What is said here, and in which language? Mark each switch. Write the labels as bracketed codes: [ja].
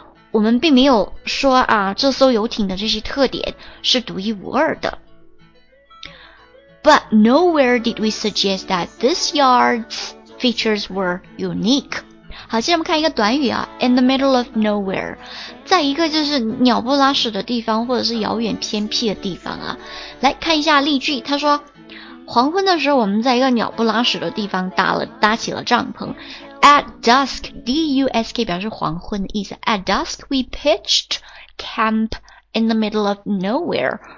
[zh] 我们并没有说啊，这艘游艇的这些特点是独一无二的。 [en] But nowhere did we suggest that this yard's features were unique. [zh] 好，现在我们看一个短语啊， [en] in the middle of nowhere， [zh] 在一个就是鸟不拉屎的地方，或者是遥远偏僻的地方啊。来看一下例句，他说，黄昏的时候我们在一个鸟不拉屎的地方搭起了帐篷。 [en] At dusk, [zh] D-U-S-K 表示黄昏的意思。 [en] At dusk, we pitched camp in the middle of nowhere.